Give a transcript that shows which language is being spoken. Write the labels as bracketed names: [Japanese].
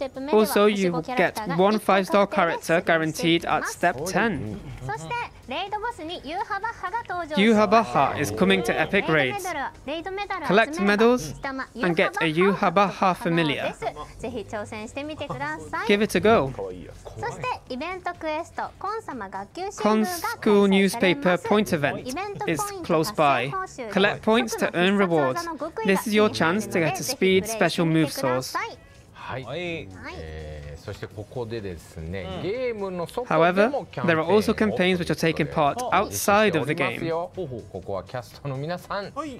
[English] Also, you will get one 5-star character guaranteed at step 10. [Japanese] レイドボスにユーハバッハが登場。 [English] ユーハバッハ is coming to epic raids. Collect medals and get a ユーハバッハ familiar. [Japanese] ぜひ挑戦してみてください。 [English] Give it a go. [Japanese] そしてイベントクエスト、コン様学級新聞が開催されます。 [English] School newspaper point event is close by. Collect points to earn rewards. This is your chance to get a speed special move source. [Japanese] はい。そしてここでですね、ゲームの外でも [English] However, there are also campaigns which are taking part outside of the game. [Japanese] ここはキャストの皆さん、